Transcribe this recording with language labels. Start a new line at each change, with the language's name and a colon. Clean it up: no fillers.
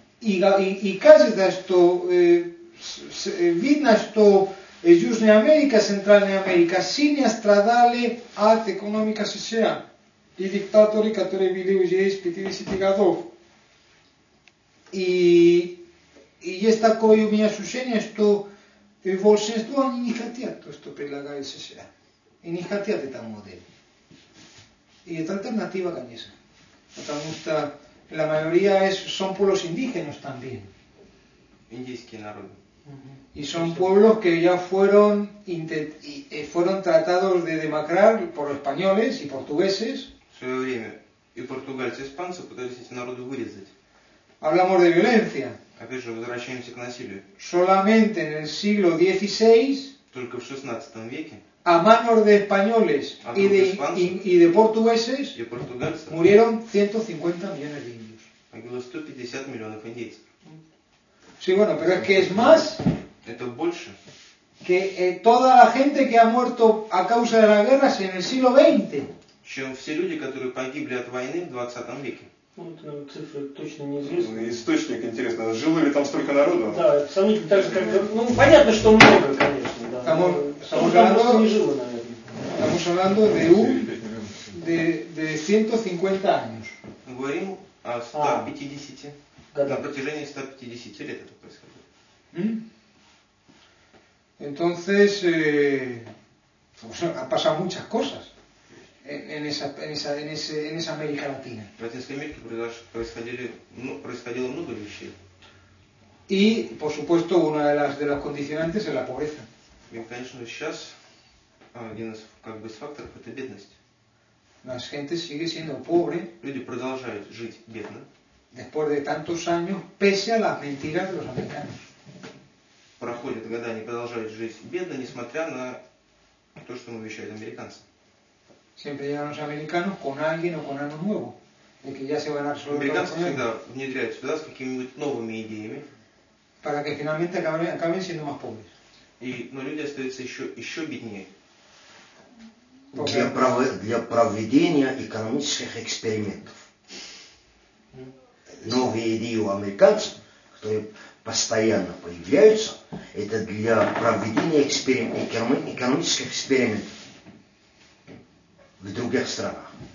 Russian: И кажется, что видно, что Южная Америка, Центральная Америка сильно страдали от экономики США и диктаторы, которые были уже из 50-х годов. И есть такое у меня ощущение, что большинство они не хотят то, что предлагает США. И не хотят эту модель. И это альтернатива, конечно. Потому что
Spanish: la mayoría son pueblos indígenas también.
Russian: Индийские народы.
Spanish: Y son pueblos que ya fueron, fueron tratados de demacrar por españoles y portugueses.
Russian: В свое время и португальцы, и испанцы пытались эти народы вырезать.
Spanish: Hablamos de violencia.
Russian: Опять же, возвращаемся к насилию.
Spanish: Solamente en el siglo XVI,
Russian: только в 16 веке,
Spanish: a manos de españoles y de, y de portugueses, y portugueses murieron 150 millones de indios.
Russian: Погибло 150 миллионов индейцев.
Spanish: Sí, bueno, pero es que es más que toda la gente que ha muerto a causa de las guerras en el siglo XX.
Russian: Чем все люди, которые погибли от войны в 20 веке. Вот цифры точно неизвестны. Ну, источник интересно. Жило ли там столько народу? Да, сомнительно. Так же, как, ну, понятно, что много, конечно. Да. Там, там уже народ не жило, наверное.
Spanish: Estamos hablando de 150 años.
Russian: Мы говорим о 150. На протяжении 150 лет это происходило.
Spanish: Entonces, ha pasado muchas cosas. En esa América Latina.
Russian: В Латинской Америке происходило много вещей.
Spanish: И, por supuesto, una de las condicionantes es la pobreza.
Russian: И, конечно, сейчас один из как бы факторов это бедность.
Spanish: La gente sigue siendo pobre.
Russian: Люди продолжают жить бедно.
Spanish: Después de tantos años, pese a las mentiras de los americanos.
Russian: Проходят года, они продолжают жить бедно, несмотря на то, что ему вещают американцы.
Spanish: Siempre llegan los americanos con alguien o con algo nuevo, de que ya se van a resolver.
Russian: Американцы всегда внедряют сюда с какими-нибудь новыми идеями.
Spanish: Para que finalmente acaben siendo más pobres.
Russian: И, но люди остаются еще беднее. Для проведения экономических экспериментов. Новые идеи у американцев, которые постоянно появляются, это для проведения экономических экспериментов. В других странах.